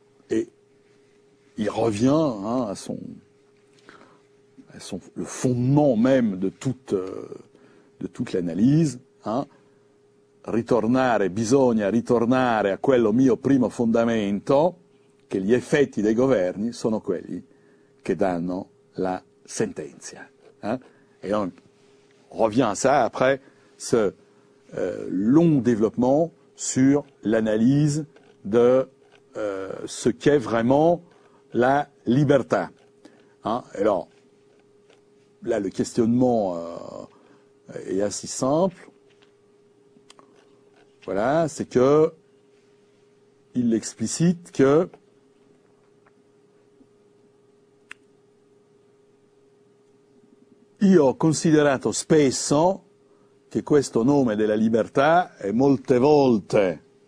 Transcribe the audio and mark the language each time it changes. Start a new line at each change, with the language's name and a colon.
Italian: E
French: il revient a son le fondement même de toute l'analyse,
Italian: bisogna ritornare a quello mio primo fondamento, che gli effetti dei governi sono quelli che danno la sentenza.
French: Et on revient à ça après ce long développement sur l'analyse de ce qu'est vraiment la liberté. Alors, là, le questionnement est assez simple. Voilà, c'est que il explicite que
Italian: io ho considerato spesso che questo nome della libertà è molte volte